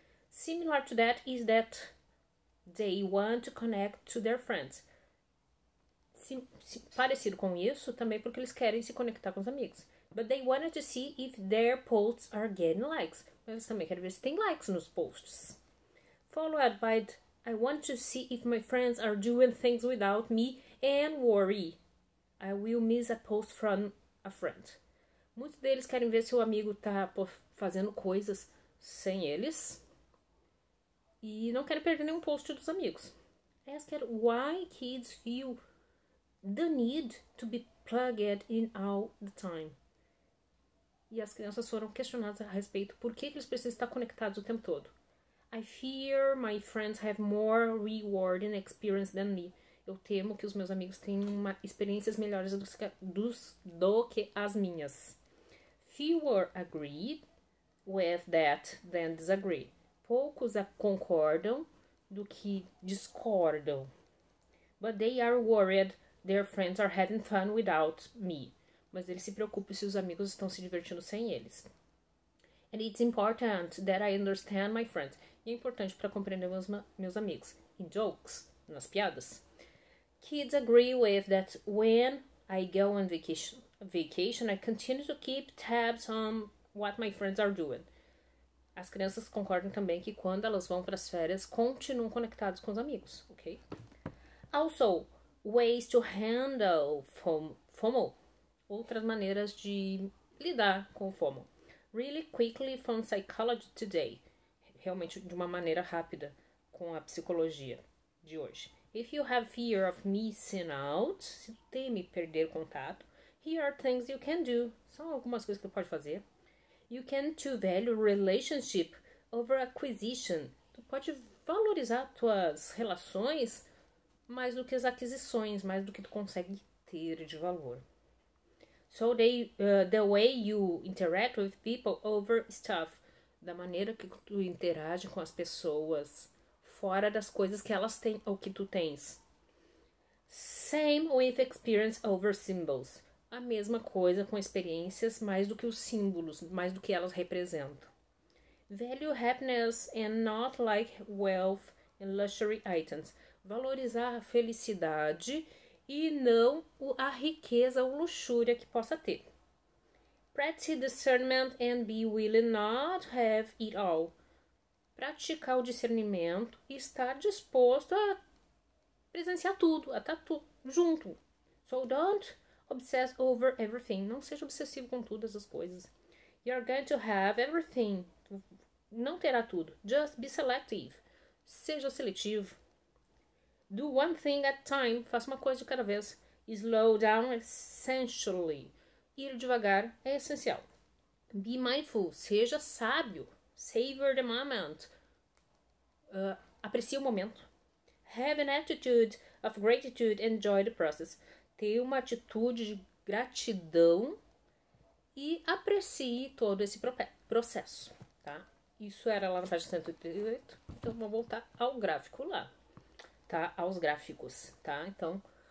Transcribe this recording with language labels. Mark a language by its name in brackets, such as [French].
[English] Similar to that is that they want to connect to their friends. [Portuguese] Parecido com isso, também porque eles querem se conectar com os amigos. [English] But they wanted to see if their posts are getting likes. [Portuguese] Mas também querem ver se tem likes nos posts. [English] Followed by, I want to see if my friends are doing things without me and worry. I will miss a post from a friend. [Portuguese] Muitos deles querem ver se o amigo tá fazendo coisas sem eles. E não querem perder nenhum post dos amigos. [English] Ask her why kids feel the need to be plugged in all the time. [Portuguese] E as crianças foram questionadas a respeito por que eles precisam estar conectados o tempo todo. [English] I fear my friends have more rewarding experience than me. [Portuguese] Eu temo que os meus amigos têm experiências melhores do que as minhas. [English] Fewer agree with that than disagree. [Portuguese] Poucos concordam do que discordam. [English] But they are worried their friends are having fun without me. [Portuguese] Mas eles se preocupam se os amigos estão se divertindo sem eles. [English] And it's important that I understand my friends. [Portuguese] E é importante para compreender meus amigos. [English] In jokes, [Portuguese] nas piadas. [English] Kids agree with that when I go on vacation, I continue to keep tabs on what my friends are doing. [Portuguese] As crianças concordam também que quando elas vão para as férias, continuam conectados com os amigos, ok? [English] Also, ways to handle FOMO. [Portuguese] Outras maneiras de lidar com o FOMO. [English] Really quickly from Psychology Today. [Portuguese] Realmente de uma maneira rápida com a psicologia de hoje. [English] If you have fear of missing out, [Portuguese] se teme perder contato, [English] here are things you can do. [Portuguese] São algumas coisas que tu pode fazer. [English] You can to value relationship over acquisition. [Portuguese] Tu pode valorizar tuas relações mais do que as aquisições, mais do que tu consegue ter de valor. [English] So the way you interact with people over stuff. [Portuguese] Da maneira que tu interage com as pessoas fora das coisas que elas têm ou que tu tens. [English] Same with experience over symbols. [Portuguese] A mesma coisa com experiências mais do que os símbolos, mais do que elas representam. [English] Value happiness and not like wealth and luxury items. [Portuguese] Valorizar a felicidade e não a riqueza ou luxúria que possa ter. [English] Practice discernment and be willing not to have it all. [Portuguese] Praticar o discernimento e estar disposto a presenciar tudo, a estar tudo junto. [English] So don't obsess over everything. [Portuguese] Não seja obsessivo com todas as coisas. [English] You're going to have everything. [Portuguese] Não terá tudo. [English] Just be selective. [Portuguese] Seja seletivo. [English] Do one thing at a time. [Portuguese] Faça uma coisa de cada vez. [English] Slow down essentially. [Portuguese] Ir devagar é essencial. [English] Be mindful, [Portuguese] seja sábio. [English] Savor the moment. [Portuguese] Aprecie o momento. [English] Have an attitude of gratitude and enjoy the process. [Portuguese] Tenha uma atitude de gratidão e aprecie todo esse processo, tá? Isso era lá na página 138. Então, vou voltar ao gráfico lá, tá? Aos gráficos, tá? Então.